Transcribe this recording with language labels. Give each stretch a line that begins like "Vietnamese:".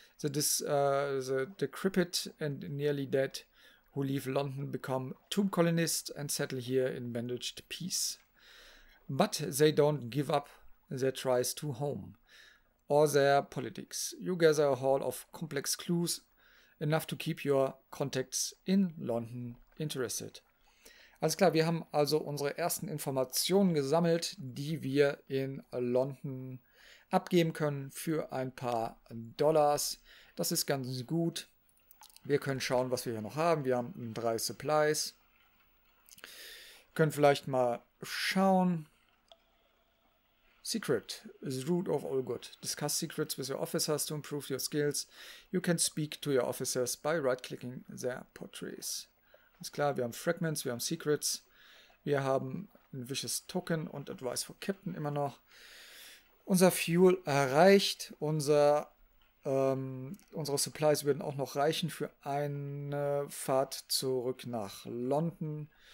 English: The decrepit and nearly dead who leave London become tomb colonists and settle here in bandaged peace. But they don't give up their tries to home or their politics. You gather a haul of complex clues enough to keep your contacts in London interested.
German: Alles klar, wir haben also unsere ersten Informationen gesammelt, die wir in London abgeben können für ein paar Dollars. Das ist ganz gut. Wir können schauen, was wir hier noch haben. Wir haben 3 Supplies. Können vielleicht mal schauen.
English: Secret, the root of all good. Discuss secrets with your officers to improve your skills. You can speak to your officers by right-clicking their portraits.
German: Ist klar, wir haben Fragments, wir haben Secrets, wir haben ein Vicious Token und Advice for Captain immer noch. Unser Fuel erreicht, unsere Supplies würden auch noch reichen für eine Fahrt zurück nach London.